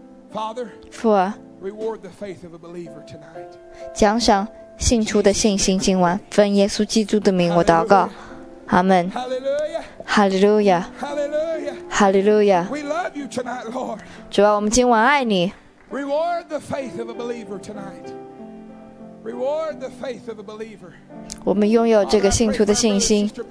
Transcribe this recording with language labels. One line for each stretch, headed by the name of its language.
English: Father, reward the faith of a believer tonight.
Chinese: 奖赏信徒的信心，今晚奉耶稣基督的名，我祷告，阿门。
English: Hallelujah. Hallelujah. Hallelujah. We love you tonight, Lord.
Chinese: 主啊，我们今晚爱你。
English: Reward the faith of a believer tonight. Reward the faith of a believer.
Chinese: 我们拥有这个信徒的信心。